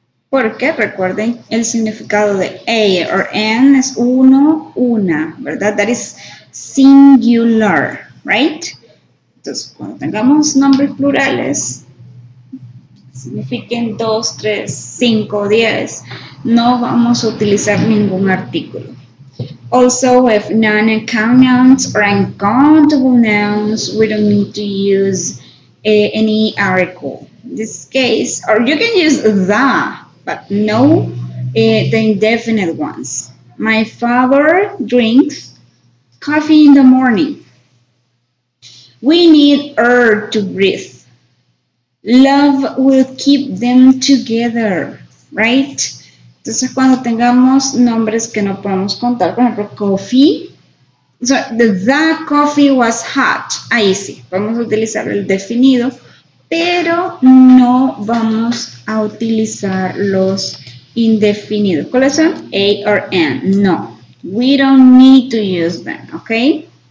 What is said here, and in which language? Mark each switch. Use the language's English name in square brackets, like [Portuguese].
[Spanish] Porque, recuerden, el significado de a o an es uno, una, ¿verdad? [English] That is singular, right? [Spanish] Entonces, cuando tengamos nombres plurales, signifiquen dos, tres, cinco, diez, no vamos a utilizar ningún artículo. [English] Also, with non-account nouns or uncountable nouns, we don't need to use any article. In this case, or you can use the, but no the indefinite ones. My father drinks coffee in the morning. We need air to breathe. Love will keep them together, right? [Spanish] Entonces, cuando tengamos nombres que no podemos contar, por ejemplo, coffee. [English] So, the coffee was hot. [Spanish] Ahí sí, vamos a utilizar el definido, pero no vamos a utilizar los indefinidos. ¿Cuáles son? A or N. [English] No, we don't need to use them, okay?